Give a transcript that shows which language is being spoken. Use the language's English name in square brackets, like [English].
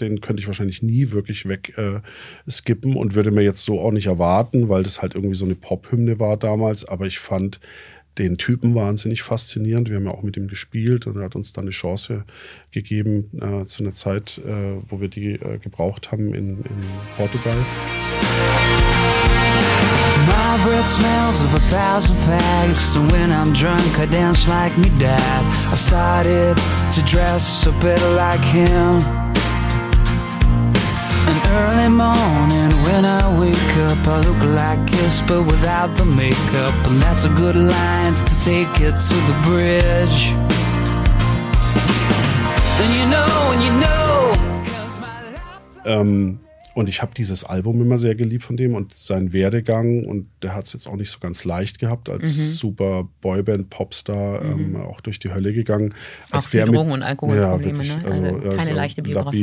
[German] Den könnte ich wahrscheinlich nie wirklich wegskippen und würde mir jetzt so auch nicht erwarten, weil das halt irgendwie so eine Pop-Hymne war damals. Aber ich fand den Typen wahnsinnig faszinierend. Wir haben ja auch mit ihm gespielt und er hat uns dann eine Chance gegeben zu einer Zeit, wo wir die gebraucht haben in Portugal. [English] My breath smells of a thousand faggots. So when I'm drunk, I dance like me dad. I started to dress a bit like him. And early morning when I wake up, I look like his but without the makeup. And that's a good line to take it to the bridge. And you know, cause my life's [German] Und ich habe dieses Album immer sehr geliebt von dem und seinen Werdegang. Und der hat es jetzt auch nicht so ganz leicht gehabt als super Boyband-Popstar, auch durch die Hölle gegangen. Als auch der viel Drogen- und Alkoholprobleme, ja, wirklich, ne? Also keine leichte Biografie.